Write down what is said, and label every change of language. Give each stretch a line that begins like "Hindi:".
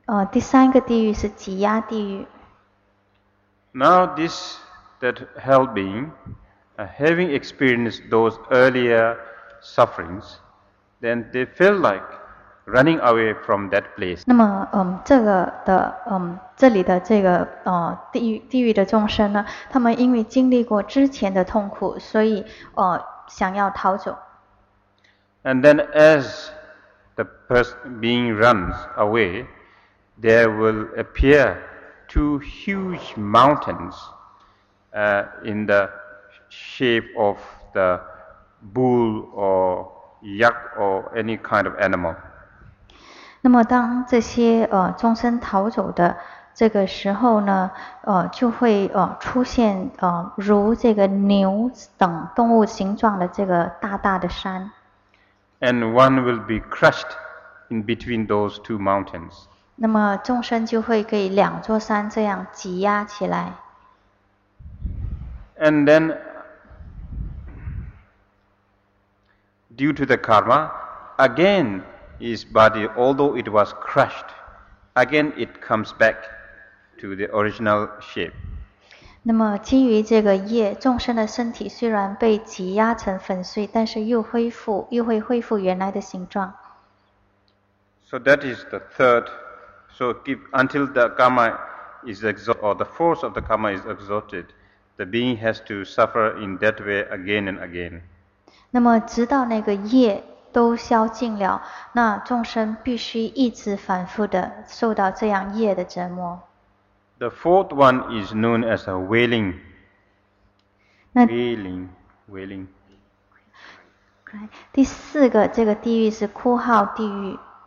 Chinese: 第三个地狱是挤压地狱。
English: Now this that hell being, having experienced those earlier sufferings. Then they feel like running away from that place.
Chinese: 那么，这个的，这里的这个，地狱的众生呢，他们因为经历过之前的痛苦，所以，想要逃走。
English: And then, as the person being runs away, there will appear two huge mountains, in the shape of the bull or. Yak or any kind of animal.
Chinese: 那么当这些众生逃走的这个时候呢，就会出现如这个牛等动物形状的这个大大的山。
English: And one will be crushed in between those two mountains.
Chinese: 那么众生就会给两座山这样挤压起来。
English: And then. Due to the karma, again his body, although it was crushed, again it comes back to the original shape.
Chinese: 那么基于这个业，众生的身体虽然被挤压成粉碎，但是又会恢复原来的形状。
English: So that is the third. So keep, until the karma is exhausted, or the force of the karma is exhausted, the being has to suffer in that way again and again.
Chinese: 那么直到那个业都消尽了，那众生必须一直反复的受到这样业的折磨。
English: The fourth one is known as a wailing. Wailing.
Chinese: 第四个这个地狱是哭号地狱。